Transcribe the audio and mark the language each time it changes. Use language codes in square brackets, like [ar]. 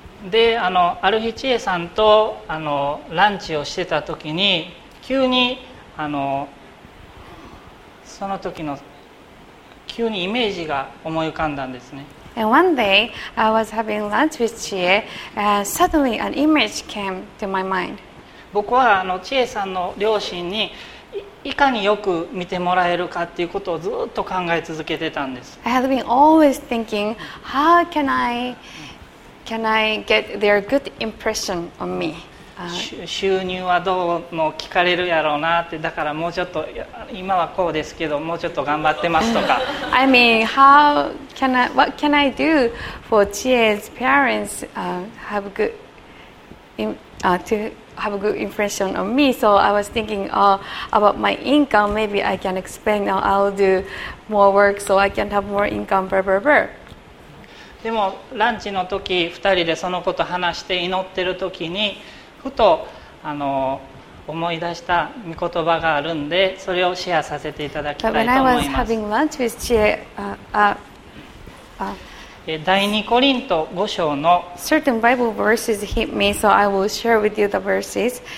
[ja] で、ある日千恵さんとランチをしてた時に、急にその時の急にイメージが思い浮かんだんですね。 [en] And one day, I was having lunch with Chie, and suddenly an image came to my mind. [ja] 僕は Chie さんの両親にいかによく見てもらえるかっていうことをずっと考え続けてたんです。 [en] I had been always thinking, how can I get their good impression on me? [ja] 収入はどうも聞かれるやろうなって、だからもうちょっと、今はこうですけど、もうちょっと頑張ってますとか。 [en] I mean, how can I, what can I do for Chie's parents to have a good impression on me? So I was thinking about my income, maybe I can expand, I'll do more work so I can have more income, blah, blah, blah. [ja] でも、ランチの時、2人でそのこと話して祈ってる時に、ふと思い出した御言葉があるんで、それをシェアさせていただきたいと思います。 [en] But when I was having lunch with Chie, [ja] 第2コリント5章の [en] Certain Bible verses hit me, so I will share with you the verses.